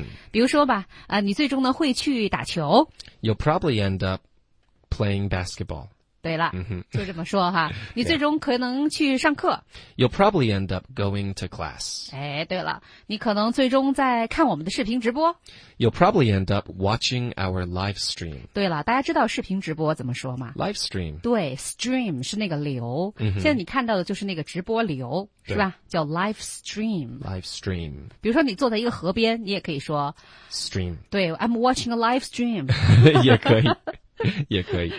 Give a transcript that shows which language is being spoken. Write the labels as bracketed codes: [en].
[zh] 比如说吧，你最终呢会去打球。 [en] You'll probably end up playing basketball. [zh] 对了，就这么说哈。你最终可能去上课。 [en] You'll probably end up going to class. [zh] 哎，对了，你可能最终在看我们的视频直播。 [en] You'll probably end up watching our live stream. [zh] 对了，大家知道视频直播怎么说吗 [en] ？Live stream. [zh] 对 ，stream 是那个流。现在你看到的就是那个直播流，是吧？ [en] 叫 live stream. Live stream. [zh] 比如说你坐在一个河边，你也可以说 [en] stream. 对 ，I'm watching a live stream. [zh] 也可以。也可以，